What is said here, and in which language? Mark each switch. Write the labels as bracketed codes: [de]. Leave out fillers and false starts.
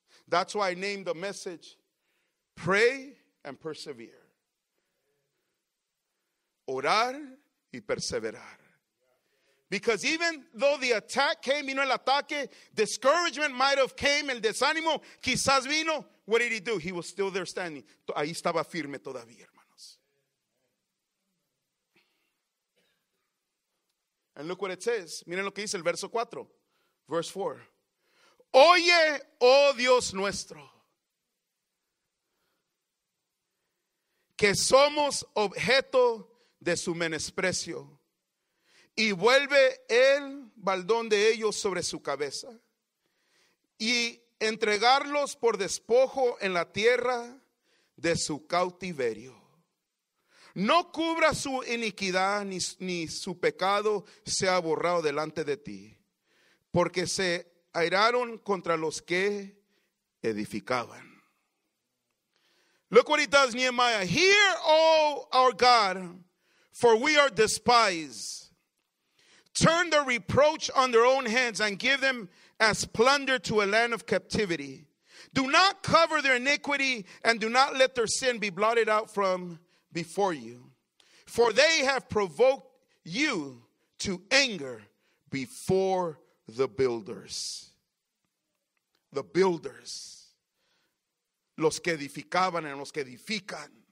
[en] That's why I named the message, Pray and Persevere. [es] Orar y perseverar. [en] Because even though the attack came, [es] vino el ataque, [en] discouragement might have came, [es] el desánimo quizás vino, [en] what did he do? He was still there standing. [es] Ahí estaba firme todavía. [en] And look what it says. [es] Miren lo que dice el verso 4. [en] Verse 4. [es] Oye, oh Dios nuestro, que somos objeto de su menosprecio, y vuelve el baldón de ellos sobre su cabeza, y entregarlos por despojo en la tierra de su cautiverio. No cubra su iniquidad ni su pecado sea borrado delante de ti, porque se airaron contra los que edificaban. [en] Look what he does, Nehemiah. Hear, O our God, for we are despised. Turn the reproach on their own hands and give them as plunder to a land of captivity. Do not cover their iniquity and do not let their sin be blotted out from before you, for they have provoked you to anger before the builders. The builders, [es] los que edificaban y los que edifican.